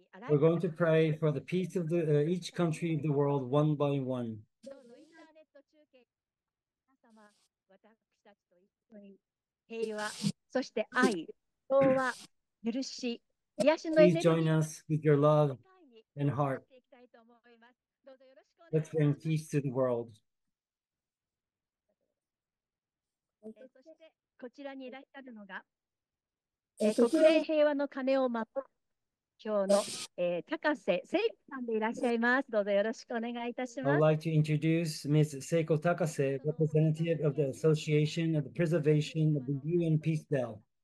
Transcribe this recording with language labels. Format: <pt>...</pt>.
<en>We're going to pray for the peace of the, each country of the world one by one.</en> <ja>平和、そして愛、調和、許し、癒しの</ja> <en>Please join us with your love and heart. Let's bring peace to the world.</en> <ja>そしてこちらにいらっしゃるのが、国連平和の鐘を守る今日の、高瀬聖子さんでいらっしゃいます。どうぞよろしくお願いいたします。</ja> <en>I'd like to introduce Ms. Seiko Takase, representative of the Association of the Preservation of the UN Peace Bell.</en>